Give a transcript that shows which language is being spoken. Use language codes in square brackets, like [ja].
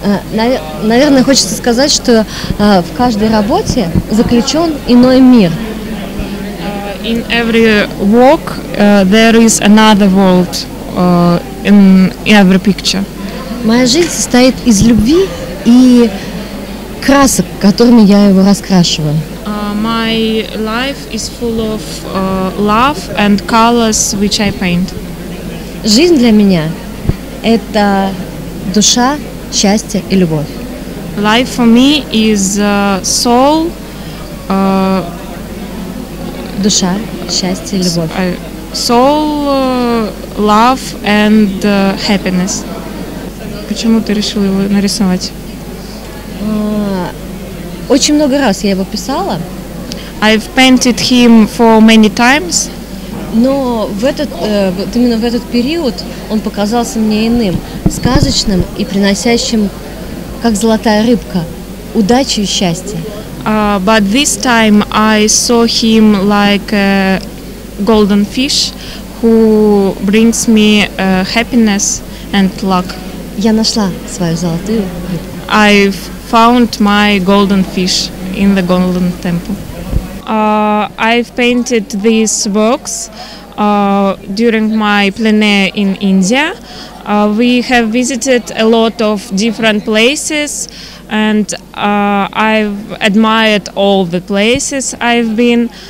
[ru] Наверное, хочется сказать, что в каждой работе заключен иной мир. [en] In every work, there is another world in every picture. [ru] Моя жизнь состоит из любви и красок, которыми я его раскрашиваю. [en] My life is full of love and colors, which I paint. [ru] Жизнь для меня – это душа, счастье и любовь. [en] Life for me is soul, [ru] душа, счастье и любовь. [en] Soul, love and happiness. [ru] Почему ты решил его нарисовать? Очень много раз я его писала. [en] I've painted him for many times. [ru] Но в этот, вот именно в этот период он показался мне иным, сказочным и приносящим, как золотая рыбка, удачу и счастье. [en] But this time I saw him like a golden fish, who brings me happiness and luck. [ru] Я нашла свою золотую рыбку. [en] I've found my golden fish in the Golden Temple. I've painted these works during my plein air in India. We have visited a lot of different places, and I've admired all the places I've been.